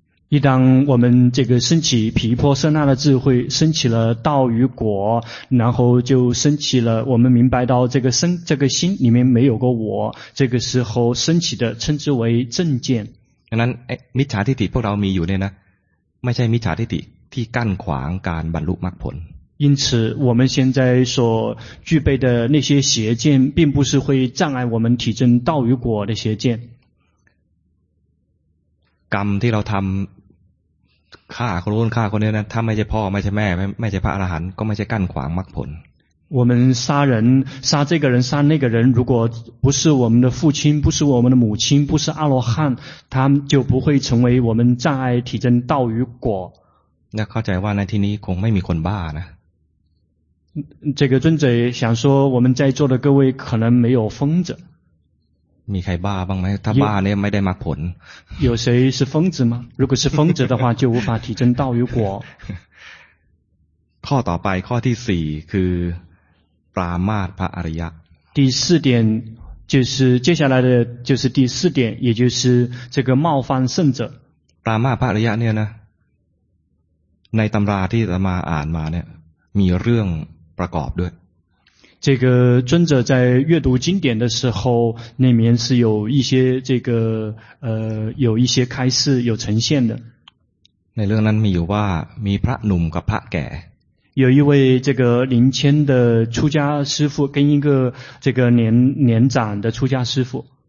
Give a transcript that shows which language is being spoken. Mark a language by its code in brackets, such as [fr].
[zh] 一旦我们这个升起毗婆舍那的智慧，升起了道与果，然后就升起了我们明白到这个身这个心里面没有个我，这个时候升起的称之为正见。 [th] 那นั้นมิจฉาทิฏฐิพวกเรามีอยู่เนี่ยนะไม่ใช่มิจฉาทิฏฐิที่กั้นขวางการบรรลุมรรคผล [zh] 因此我们现在所具备的那些邪见并不是会障碍我们体证道与果的邪见 [th] กรรมที่เราทำฆ่าคนโน้นฆ่าคนนี้นะถ้าไม่ใช่พ่อไม่ใช่แม่ไม่ใช่พระอรหันต์ก็ไม่ใช่กั้นขวางมรรคผล [zh] 我们杀人杀这个人杀那个人如果不是我们的父亲不是我们的母亲不是阿罗汉他就不会成为我们障碍体证道与果 [th] 那เข้าใจว่าในที่นี้คงไม่มีคนบ้านะ [zh] 这个尊者想说我们在座的各位可能没有疯子 [th] มีใครบ้าบ้างไหมถ้าบ้าเนี่ยไม่ได้มรรคผล [zh] 有谁是疯子吗如果是疯子的话就无法体证道与果 [th] ข้อต่อไปข้อที่4คือปรามาสพระอริยะ [zh] 第四点就是接下来的就是第四点也就是这个冒犯圣者 [th] ปรามาสพระอริยะเนี่ยนะในตำราที่จะมาอ่านมาเนี่ยมีเรื่องประกอบด้วย [zh] 这个尊者在阅读经典的时候那面是有一些这个有一些开示有呈现的 [th] ในเรื่องนั้นมีอยู่ว่ามีพระหนุ่มกับพระแก่ [zh] 有一位这个临迁的出家师父跟一个这个年长的出家师父